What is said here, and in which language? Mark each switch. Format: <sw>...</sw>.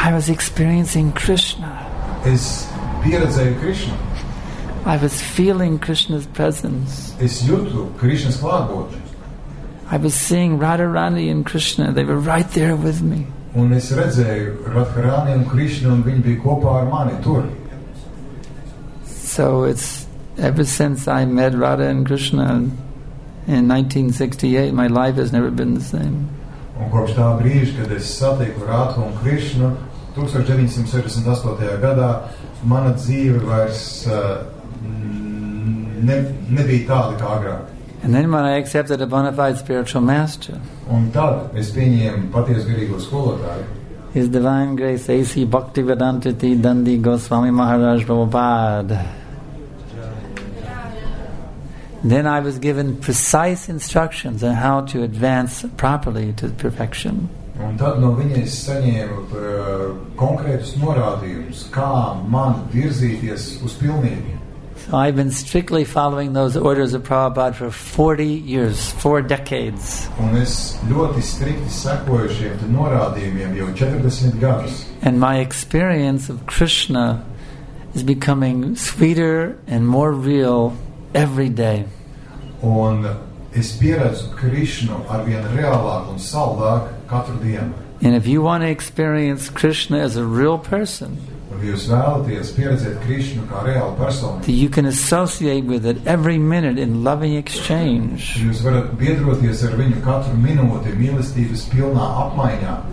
<en>I was experiencing Krishna.</en> <lv>Es pieredzēju Krishna.</lv> <en>I was feeling Krishna's presence.</en> <lv>Es jūtu Krishna's klātbūtni.</lv> <en>I was seeing Radharani and Krishna. They were right there with me.</en> <lv>Un es redzēju Radharani un Krishna, un viņi bija kopā ar mani tur.</lv> <en>So it's ever since I met Radha and Krishna in 1968, my life has never been the same.</en> <lv>Un kopš tā brīža, kad es satieku Radha un Krishna 1968. Gadā, mana dzīve vairs nebija tāda kā agrāk.</lv> <en>And then when I accepted a bona fide spiritual master,</en> <lv>un tad es pieņēmu paties garīgo skolotāju.</lv> <en>His divine grace A.C. Bhaktivedanta T. Dandi Goswami Maharaj Prabhupada. Then I was given precise instructions on how to advance properly to perfection.</en> <lv>Un tad no viņa es saņēmu konkrētus norādījumus, kā man virzīties uz pilnību.</lv> <en>So I've been strictly following those orders of Prabhupada for 40 years, 4 decades.</en> <lv>Un es ļoti strikti sekoju šiem norādījumiem jau 40 gadus.</lv> <en>And my experience of Krishna is becoming sweeter and more real every day.</en> <lv>Un es pieredzu Krishnu arvien reālāk un saldāk katru dienu.</lv> <en>And if you want to experience Krishna as a real person,</en> <lv>jūs vēlaties pieredzēt Krishnu kā reālu personu,</lv> <en>you can associate with it every minute in loving exchange.</en> <lv>Jūs varat biedroties ar viņu katru minūti mīlestības pilnā apmaiņā.</lv>